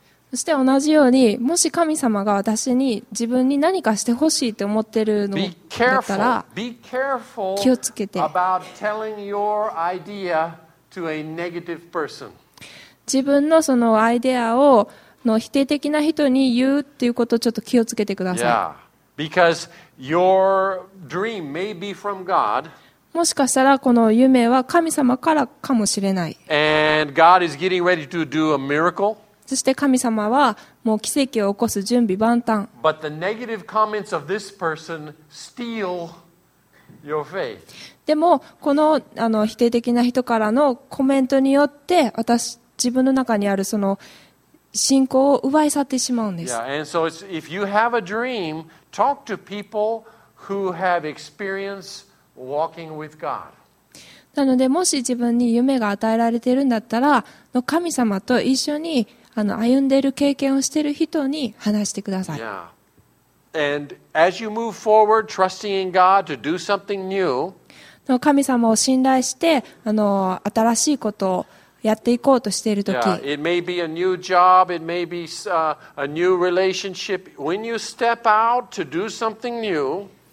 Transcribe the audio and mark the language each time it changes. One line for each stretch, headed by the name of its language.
Japanese: そして同じように、もし神様が私に自分に何かしてほしいと思ってるのだったら、
English: be careful
Japanese: 気をつけて
English: about telling your idea to a negative person.
Japanese: 自分のそのアイデアをの否定的な人に言うということをちょっと気をつけてください。
English: Yeah. Because your dream may be from God.
Japanese: もしかしたらこの夢は神様からかもしれない。
English: And God is getting ready to do a miracle.
Japanese: そして神様はもう奇跡を起こす準備万端。
English: But the negative comments of this person steal your faith.
Japanese: でもこの否定的な人からのコメントによって私自分の中にあるその信仰を奪い去ってしまうんです。
English: Yeah, and so if you have a dream, talk to people who have experienceWalking with God.
Japanese: なのでもし自分に夢が与えられているんだったら神様と一緒に歩んでいる経験をしている人に話してください。
English: Yeah. And as you move forward, trusting in God to do something new,
Japanese: 神様を信頼して新しいことをやっていこうとしているとき、
English: yeah. It may be a new job, it may be a new relationship. When you step out to do something new,